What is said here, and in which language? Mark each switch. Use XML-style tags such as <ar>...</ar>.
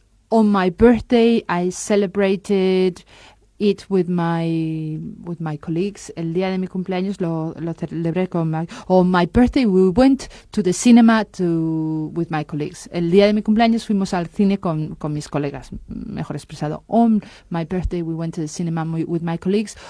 <en>On my birthday, I celebrated it with my colleagues.</en> <es>El día de mi cumpleaños lo celebré con my.</es> <en>On my birthday, we went to the cinema with my colleagues.</en> <es>El día de mi cumpleaños fuimos al cine con mis colegas. Mejor expresado,</es> <en>on my birthday, we went to the cinema with my colleagues.</en>